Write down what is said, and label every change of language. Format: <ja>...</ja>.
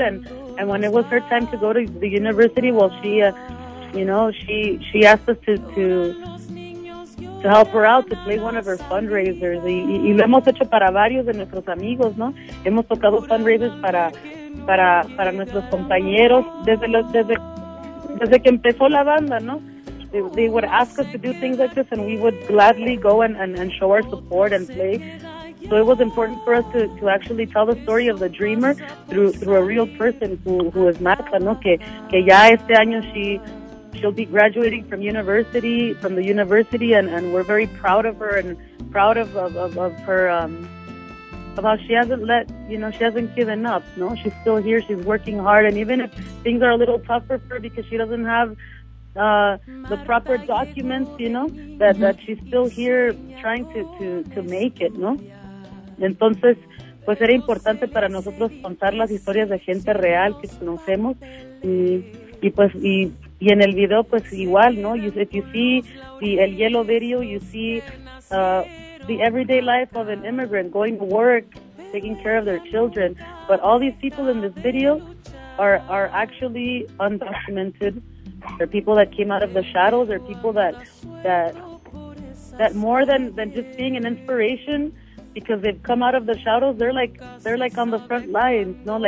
<en>And when it was her time to go to the university, well, she asked us to help her out, to play one of her fundraisers.</en> <es>Y lo hemos hecho para varios de nuestros amigos, ¿no? Hemos tocado fundraisers para nuestros compañeros desde que empezó la banda, ¿no?</es> <en>They would ask us to do things like this, and we would gladly go and show our support and play. So it was important for us to actually tell the story of the dreamer through a real person who is Marta, ¿no?</en> <es>Que ya este año</es> <en>she'll be graduating from the university, and we're very proud of her and proud of her about she hasn't let, you know, she hasn't given up, no? She's still here, she's working hard, and even if things are a little tougher for her because she doesn't have the proper documents, you know, that she's still here trying to make it, no?</en> <es>Entonces, pues era importante para nosotros contar las historias de gente real que conocemos y en el video, pues igual, ¿no?</es> <en>If you see the El Hielo video, you see the everyday life of an immigrant going to work, taking care of their children. But all these people in this video are actually undocumented. They're people that came out of the shadows. They're people that more than just being an inspiration, because they've come out of the shadows, they're like on the front lines, ¿no?</en>